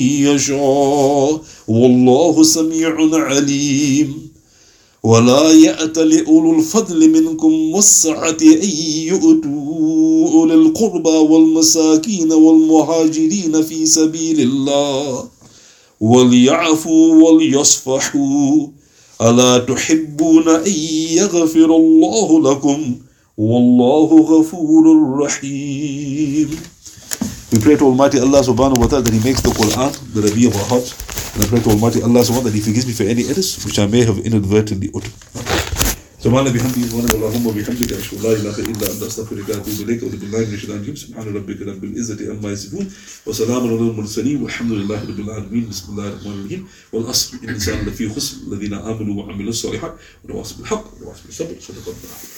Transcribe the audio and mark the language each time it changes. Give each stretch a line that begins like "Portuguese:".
Arabic: يشاء والله سميع عليم ولا يأت لأولو الفضل منكم والسعة أن يؤتوا أولي القربى والمساكين والمهاجرين في سبيل الله وليعفوا وليصفحوا ألا تحبون أن يغفر الله لكم والله غفور رحيم.
English: We pray to Almighty Allah subhanahu wa ta'ala that He makes the Quran the Rabi of our hearts. And I pray to Almighty Allah subhanahu wa ta'ala that He forgives me for any errors which I may have inadvertently uttered.
Arabic: سبحان ربي الحمد سبحانك اللهم وبحمدك أشهد أن لا إله إلا أنت أستغفرك وأتوب إليك وأعوذ بالله من الشيطان الرجيم سبحان ربك رب العزة عما يصفون وسلام على المرسلين والحمد لله رب العالمين بسم الله الرحمن الرحيم والعصر إن الإنسان لفي خسر الذين آمنوا وعملوا الصالحات ونواصي بالحق ونواصي بالصبر صدق الله.